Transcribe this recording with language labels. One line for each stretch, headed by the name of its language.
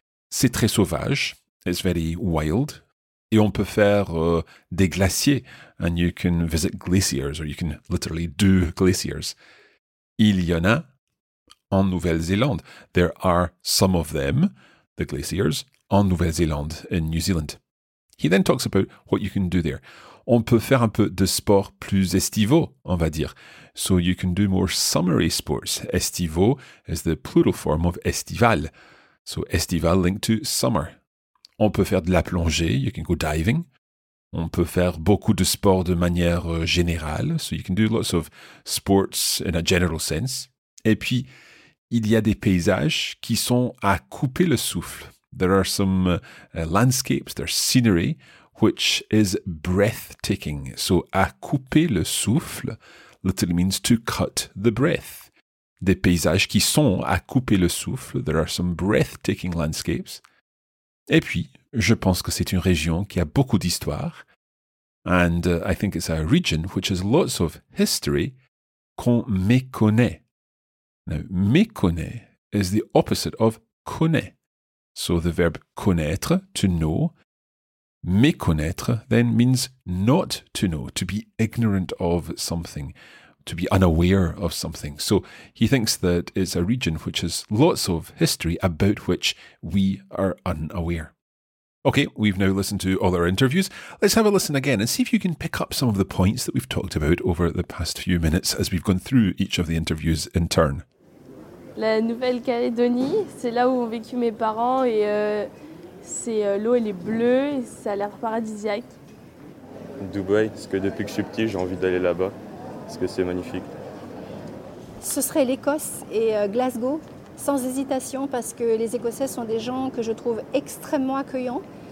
French: C'est très sauvage.
English: It's very wild.
French: Et on peut faire des glaciers.
English: And you can visit glaciers, or you can literally do glaciers.
French: Il y en a en Nouvelle-Zélande.
English: There are some of them, the glaciers,
French: en Nouvelle-Zélande,
English: in New Zealand. He then talks about what you can do there.
French: On peut faire un peu de sport plus estivaux, on va dire.
English: So you can do more summery sports. Estivaux is the plural form of estival. So estival linked to summer.
French: On peut faire de la plongée,
English: you can go diving.
French: On peut faire beaucoup de sport de manière générale.
English: So you can do lots of sports in a general sense.
French: Et puis, il y a des paysages qui sont à couper le souffle.
English: There are some landscapes, there's scenery, which is breathtaking. So,
French: à couper le souffle
English: literally means to cut the breath.
French: Des paysages qui sont à couper le souffle,
English: there are some breathtaking landscapes.
French: Et puis, je pense que c'est une région qui a beaucoup d'histoire.
English: And I think it's a region which has lots of history
French: qu'on méconnaît.
English: Now, méconnaît is the opposite of connaît. So the verb connaître, to know, méconnaître then means not to know, to be ignorant of something, to be unaware of something. So he thinks that it's a region which has lots of history about which we are unaware. Okay, we've now listened to all our interviews. Let's have a listen again and see if you can pick up some of the points that we've talked about over the past few minutes as we've gone through each of the interviews in turn.
French: La Nouvelle-Calédonie, c'est là où ont vécu mes parents et l'eau elle est bleue et ça a l'air paradisiaque. Dubaï, parce que depuis que je suis petit, j'ai envie d'aller là-bas, parce que c'est magnifique. Ce serait l'Écosse et Glasgow, sans hésitation, parce que les Écossais sont des gens que je trouve extrêmement accueillants.